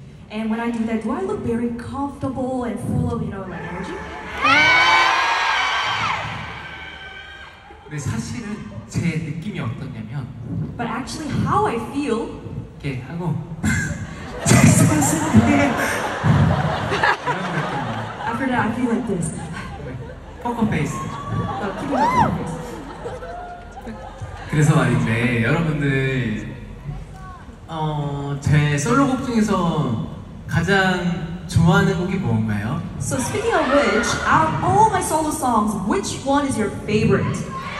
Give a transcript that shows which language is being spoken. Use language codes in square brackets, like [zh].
[en] And when I do that, do I look very comfortable and full of, you know, like energy? Yeah! [ko] 사실은 제 느낌이 어떠냐면 [en] But actually, how I feel [ko] 이렇게 하고 [en] After that, I feel like this Poker face No, keep it poker face [ko] 그래서 말인데, 여러분들 제 솔로곡 중에서 가장 좋아하는 곡이 뭔가요? [en] So speaking of which, out of all my solo songs, which one is your favorite?